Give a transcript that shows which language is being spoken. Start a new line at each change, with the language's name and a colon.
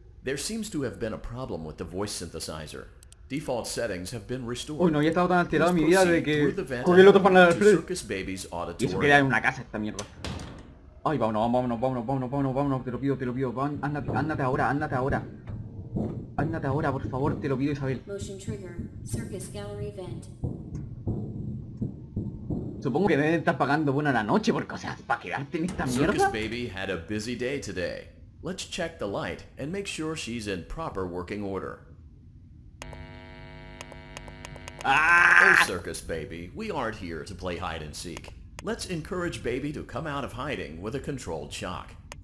English: There seems to have been a problem with the voice synthesizer. Default settings have been restored.
Spanish: Uy, no, ya estaba tan alterado mi vida de que cogí el otro panel de
English: Circus Babies Auditorium.
Spanish: Y eso queda en una casa esta mierda. ¡Ay, vámonos, vámonos, vámonos, vámonos, vámonos, vámonos! Te lo pido, ándate, ándate ahora, ándate ahora. Ándate ahora, por favor, te lo pido, Isabel.
English: Motion trigger, Circus Gallery vent.
Spanish: Supongo que deben estar pagando buena la noche, porque, o sea, ¿para quedarte en esta mierda?
English: Circus Baby had a busy day today. Let's check the light and make sure she's in proper working order. Ah! Hey, Circus Baby, we aren't here to play hide and seek. Let's encourage Baby to come out of hiding with a controlled shock.